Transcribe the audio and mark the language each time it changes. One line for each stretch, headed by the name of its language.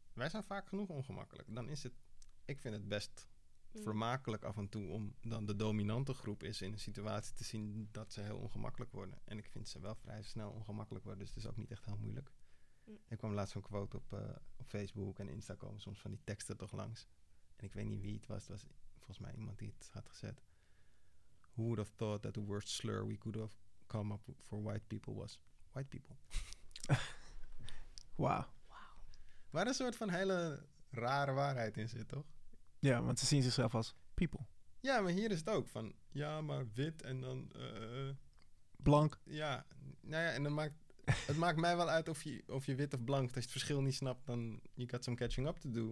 Dutch: Wij zijn vaak genoeg ongemakkelijk. Dan is het, ik vind het best vermakelijk af en toe om dan de dominante groep is in een situatie te zien dat ze heel ongemakkelijk worden. En ik vind ze wel vrij snel ongemakkelijk worden, dus het is ook niet echt heel moeilijk. Mm. Ik kwam laatst een quote op Facebook en Insta komen soms van die teksten toch langs. En ik weet niet wie het was. Het was volgens mij iemand die het had gezet.
English: Who would have thought that the worst slur we could have come up for white people was white people. Wow.
Dutch: Waar een soort van hele rare waarheid in zit, toch? Ja, want ze zien zichzelf als people. Ja, maar hier is het ook van, ja, maar wit en dan... blank. Ja, nou ja, en dan maakt het maakt mij wel uit of je wit of blank, als je het verschil niet snapt, dan
English: you got some catching up to do.